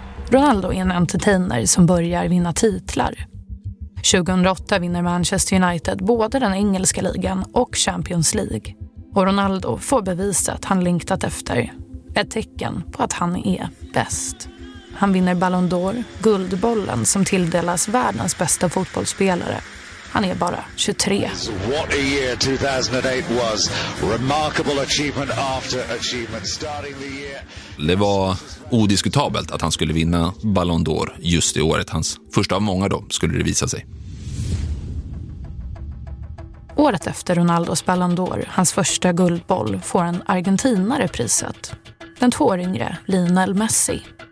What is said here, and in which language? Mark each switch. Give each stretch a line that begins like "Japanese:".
Swedish: Ronaldo är en entertainer som börjar vinna titlar. 2008 vinner Manchester United både den engelska ligan och Champions League. Och Ronaldo får bevisa att han längtat efter. Ett tecken på att han är bäst. Han vinner Ballon d'Or, guldbollen som tilldelas världens bästa fotbollsspelare. Han är bara 23.
English: What a year 2008 was. Remarkable achievement after achievement starting the year.
Swedish: Det var odiskutabelt att han skulle vinna Ballon d'Or just det året. Hans första av många då skulle det visa sig. Året efter Ronaldos Ballon d'Or, hans första guldboll, får en argentinare priset. Den två år yngre, Lionel Messi.